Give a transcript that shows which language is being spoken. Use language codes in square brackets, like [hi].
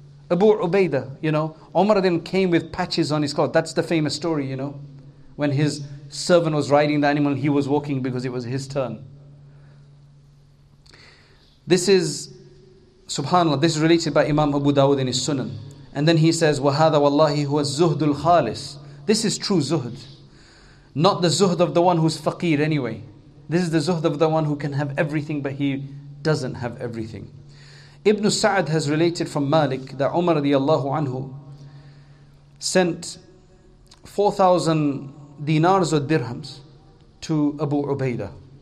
[en] Abu Ubaidah, you know, Umar came with patches on his cloth. That's the famous story, you know, when his servant was riding the animal, he was walking because it was his turn. This is, subhanAllah, this is related by Imam Abu Dawud in his Sunan. And then he says, [ar] وَهَذَا وَاللَّهِ هُوَ الزُّهْدُ الْخَالِصِ. [en] This is true zuhd. Not the zuhd of the one who's faqir anyway. This is the zuhd of the one who can have everything, but he doesn't have everything. Ibn Sa'd has related from Malik that Umar radiallahu anhu sent 4,000 dinars or dirhams to Abu Ubaidah.